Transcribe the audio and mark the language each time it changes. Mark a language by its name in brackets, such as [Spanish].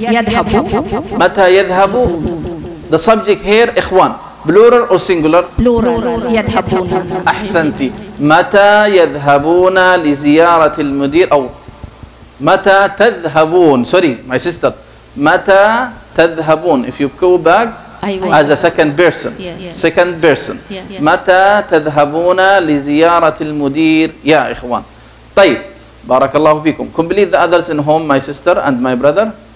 [Arabic] يذهب. متى يذهب؟ [English] The subject here إخوان. Plural or singular? Plural. [Arabic] يذهبون. أحسنتي. متى يذهبون لزيارة المدير أو متى تذهبون. [English] Sorry, my sister. [Arabic] متى تذهبون. [English] If you go back as a second person. Second person. [Arabic] متى تذهبون لزيارة المدير يا إخوان. طيب, بارك الله فيكم. [English] Complete the others in home, my sister and my brother.